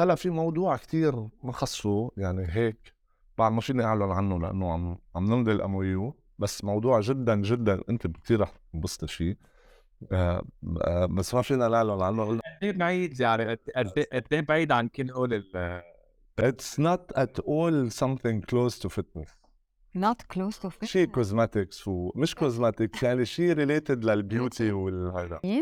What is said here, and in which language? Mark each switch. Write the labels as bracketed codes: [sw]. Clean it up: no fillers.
[ar] هلا في موضوع كتير مخصصه يعني هيك بعد ما فيني أعلن عنه لأنه عم نمضي الأمويو, بس موضوع جدا جدا أنت بكتير رح تنبسط فيه. بس ما فينا نعلن عنه. قديه بعيد يعني قديه بعيد عن كل قول ال [en] It's not at all something close to fitness. Not close to fitness. [ar] شيء cosmetics ومش cosmetics يعني شيء related للبيوتي والهذا.